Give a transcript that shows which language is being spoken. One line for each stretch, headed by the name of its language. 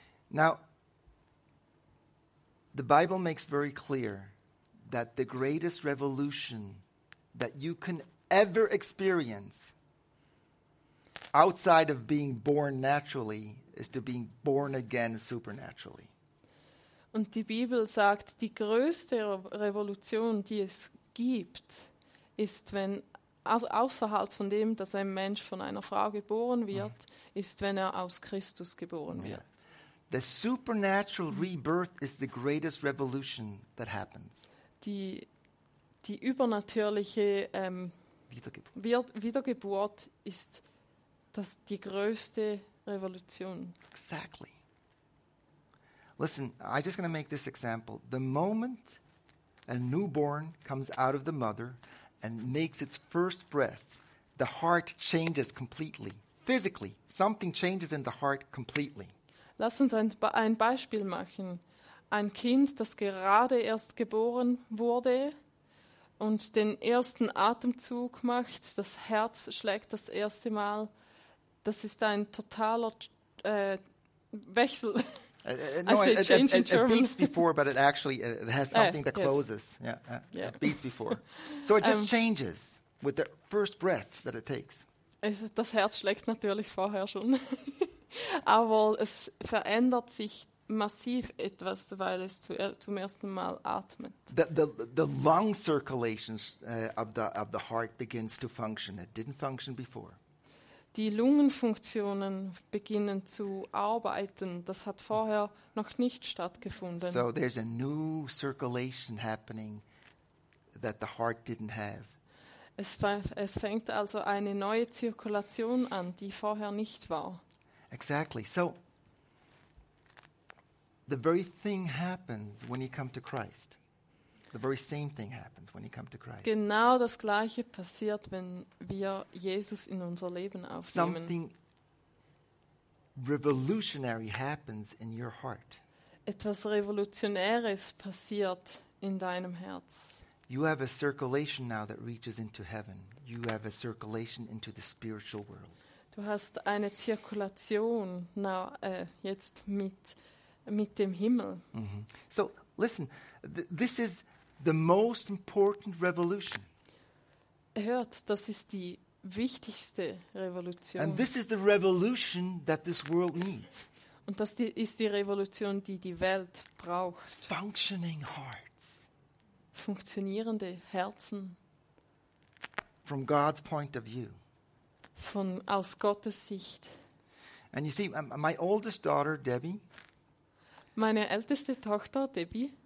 English: Now, the Bible makes very clear that the greatest revolution that you can ever experience outside of being born naturally is to being born again supernaturally.
German: Und die Bibel sagt, die größte Revolution, die es gibt, ist, wenn außerhalb von dem, dass ein Mensch von einer Frau geboren wird, ist, wenn er aus Christus geboren wird.
English: The supernatural rebirth is the greatest revolution that happens.
German: Die übernatürliche Wiedergeburt ist das die größte Revolution.
English: Exactly. Listen, I'm just going to make this example. The moment a newborn comes out of the mother and makes its first breath, the heart changes completely. Physically, something changes in the heart completely.
German: Lass uns ein Beispiel machen. Ein Kind, das gerade erst geboren wurde und den ersten Atemzug macht, das Herz schlägt das erste Mal. Das ist ein totaler Wechsel.
English: It beats before, but it actually it has something that closes. Yes. It beats before. So it just changes with the first breath that it takes.
German: Das Herz schlägt natürlich vorher schon. Aber es verändert sich massiv etwas, weil es zum ersten Mal atmet.
English: The lung circulation of the heart begins to function. It didn't function before.
German: Die Lungenfunktionen beginnen zu arbeiten. Das hat vorher noch nicht stattgefunden.
English: So there's a new circulation happening that the heart didn't have.
German: Es fängt also eine neue Zirkulation an, die vorher nicht war.
English: Exactly. So the very thing happens when you come to Christ. The very same thing happens when you come to Christ.
German: Genau das gleiche passiert, wenn wir Jesus in unser Leben aufnehmen.
English: Something revolutionary happens in your heart.
German: Etwas Revolutionäres passiert in deinem Herz.
English: You have a circulation now that reaches into heaven. You have a circulation into the spiritual world.
German: Du hast eine Zirkulation jetzt mit dem Himmel. Mm-hmm.
English: So, listen, this is the most important revolution.
German: Hört, das ist die wichtigste Revolution.
English: And this is the revolution that this world needs.
German: Und das ist die Revolution, die die Welt braucht.
English: Functioning hearts.
German: Funktionierende Herzen.
English: from God's point of view.
German: Von aus Gottes Sicht.
English: And you see, my oldest daughter, Debbie.
German: Meine älteste Tochter, Debbie.